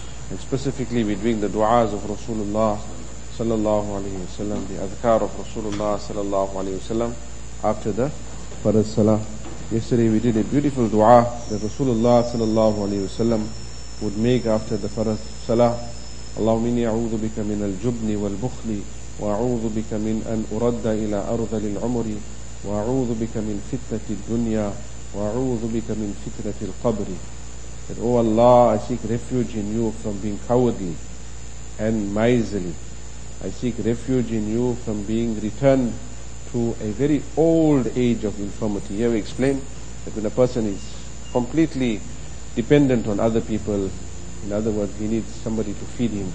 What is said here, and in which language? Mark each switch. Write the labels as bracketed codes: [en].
[en] And specifically we're doing the du'as of Rasulullah sallallahu alayhi wa sallam, the adhkar of Rasulullah sallallahu alayhi wa sallam after the Farz Salah. Yesterday we did a beautiful du'a that Rasulullah sallallahu alayhi wa sallam would make after the Farz Salah. [ar] Allahumma inni a'udhu bika min al-jubni wal-bukhli وأعوذ بك من أن أرد إلى أرض العمر وأعوذ بك من فتنة الدنيا وأعوذ بك من فتنة القبر. [en] That, oh Allah, I seek refuge in you from being cowardly and miserly. I seek refuge in you from being returned to a very old age of infirmity. Here we explain that when a person is completely dependent on other people, in other words, he needs somebody to feed him.